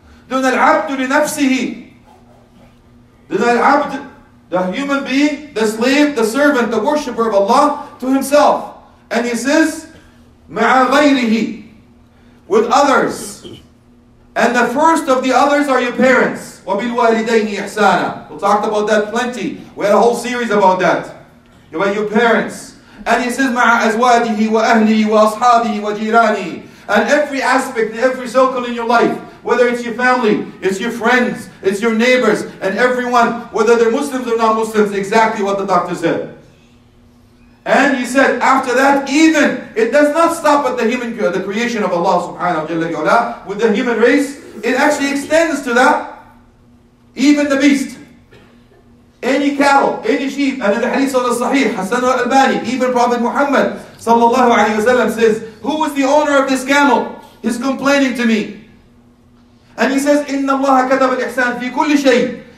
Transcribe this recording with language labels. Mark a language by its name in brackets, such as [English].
[English] Then [Arabic] al-abdu li nafsihi. [English] Then al-abd, the human being, the slave, the servant, the worshipper of Allah, to himself. And he says, [Arabic] مَعَ غَيْرِهِ, [English] with others. And the first of the others are your parents. [Arabic] وَبِالْوَالِدَيْنِ إِحْسَانًا. [English] We'll talk about that plenty. We had a whole series about that. About your parents. And he says, [Arabic] مَعَ أَزْوَادِهِ وَأَهْلِهِ وَأَصْحَابِهِ وَجِيرَانِهِ. [English] And every aspect, every circle in your life, whether it's your family, it's your friends, it's your neighbors, and everyone, whether they're Muslims or non-Muslims, exactly what the doctor said. And he said, after that, even, it does not stop at the human, the creation of Allah subhanahu wa jalla yu'la, with the human race, it actually extends to that, even the beast. any cattle, any sheep, and in the hadith of the Sahih, Hassan al-Albani, even Prophet Muhammad sallallahu alayhi wa sallam says, who is the owner of this camel? He's complaining to me. And he says, [Arabic] إِنَّ اللَّهَ كَتَبَ الْإِحْسَانِ فِي كُلِّ شَيْءٍ.